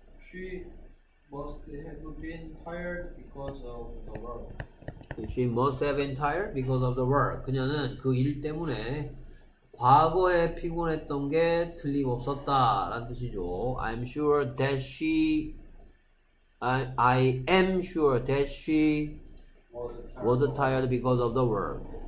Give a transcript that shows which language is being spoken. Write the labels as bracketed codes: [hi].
[en] She must have been tired because of the work. She must have been tired because of the work. [ko] 그녀는 그일 때문에 과거에 피곤했던 게 틀림없었다라는 뜻이죠. [en] I am sure that she was tired because of the work.